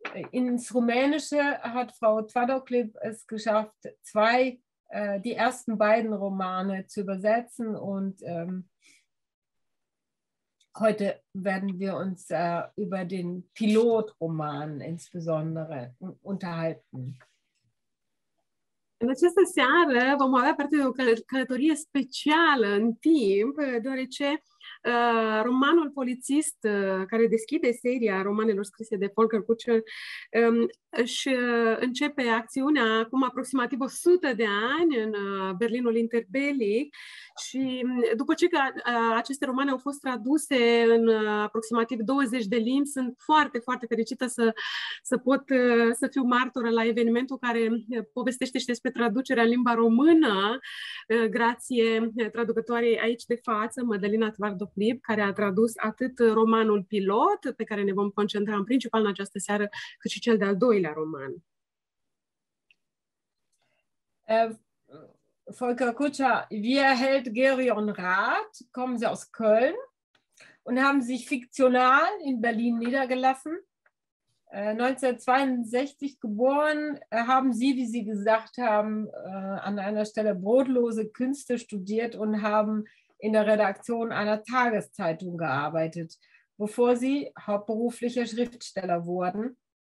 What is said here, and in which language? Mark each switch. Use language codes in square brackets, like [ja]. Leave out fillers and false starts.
[de] Ins Rumänische hat Frau Tvadoclib es geschafft, die ersten beiden Romane zu übersetzen und heute werden wir uns über den Pilotroman insbesondere unterhalten. [ro] În această seară vom avea parte de o călătorie specială în timp, deoarece romanul polițist care deschide seria romanelor scrise de Volker Kutscher își începe acțiunea acum aproximativ 100 de ani în Berlinul interbelic și după ce aceste romane au fost traduse în aproximativ 20 de limbi, sunt foarte, foarte fericită să fiu martoră la evenimentul care povestește și despre traducerea în limba română grație traducătoarei aici de față, Mădălina Tvardoclib, care a tradus atât romanul pilot, pe care ne vom concentra în principal în această seară, cât și cel de-al doilea roman. [de] Volker Kutscher, wie erhält Gerion Rath, kommen Sie aus Köln und haben sich fiktional in Berlin niedergelassen? 1962 geboren, haben Sie, wie Sie gesagt haben, an einer Stelle brotlose Künste studiert und haben in der Redaktion einer Tageszeitung gearbeitet, bevor Sie hauptberufliche Schriftsteller wurden.